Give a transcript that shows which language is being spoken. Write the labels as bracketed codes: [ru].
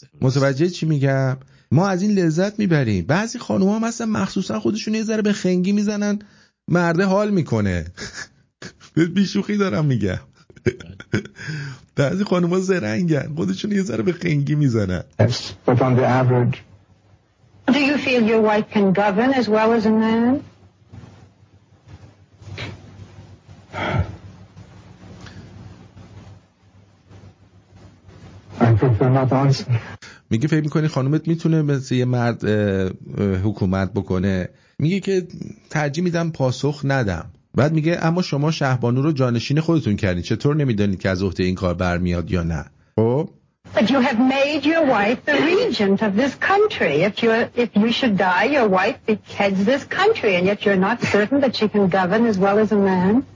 [fa] متوجه چی میگم؟ ما از این لذت میبریم. بعضی خانوما مثلا مخصوصا خودشون یه ذره به خنگی میزنن مرده حال میکنه. بیشوخی دارم میگم. بعضی خانوما زرنگن خودشون یه ذره به خنگی میزنن. [en] But on the average, do you feel your wife can govern as well as a man? I prefer not answer. [fa] میگه فکر میکنی خانومت میتونه مثل یه مرد حکومت بکنه؟ میگه که ترجیح میدم پاسخ ندم. بعد میگه اما شما شهبانو رو جانشین خودتون کردین، چطور نمیدونید که از عهده این کار برمیاد یا نه؟ خب [en] But you have made your wife the regent of this country. If you should die, your wife heads this country, and yet you're not certain that she can govern as well as a man.